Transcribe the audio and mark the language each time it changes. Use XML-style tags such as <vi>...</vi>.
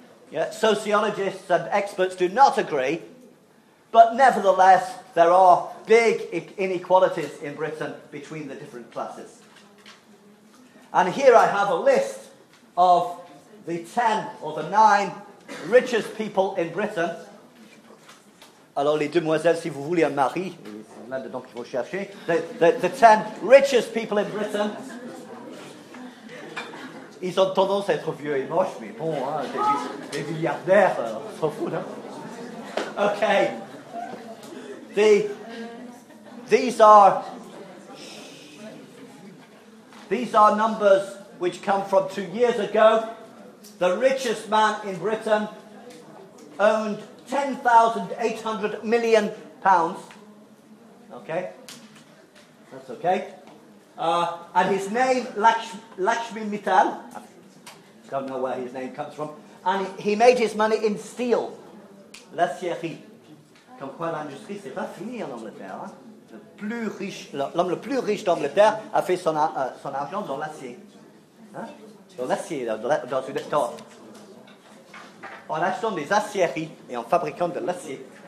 <en>Yeah, sociologists and experts do not agree. But nevertheless, there are big inequalities in Britain between the different classes. And here I have a list of the 10 or the 9 richest people in Britain.</en> <fr>Alors les demoiselles, si vous voulez un mari, il y en a dedans qu'il faut chercher.</fr> <en>The 10 richest people in Britain.</en> <fr>Ils ont tendance à être vieux et moches, mais bon, hein, des milliardaires, on s'en fout, non? Okay. The</fr> <en>These are numbers which come from 2 years ago. The richest man in Britain owned 10,800 million pounds. Okay? That's okay. And his name, Lakshmi Mittal. I don't know where his name comes from. And he made his money in steel.</en> <fr>La Syrie. Comme quoi l'industrie, c'est pas fini en Angleterre. Hein? L'homme le plus riche d'Angleterre a fait son argent dans l'acier. Hein? Dans l'acier, dans une étoile. En achetant des aciéries et en fabriquant de l'acier.</fr>